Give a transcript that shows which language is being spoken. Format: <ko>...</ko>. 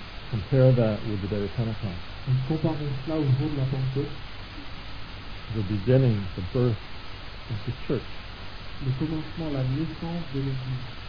<en>Compare that with the day of Pentecost.</en> <fr>On compare cela au jour de la Pentecôte.</fr> <en>The beginning, the birth of the church.</en> <fr>Le commencement, la naissance de l'Église.</fr>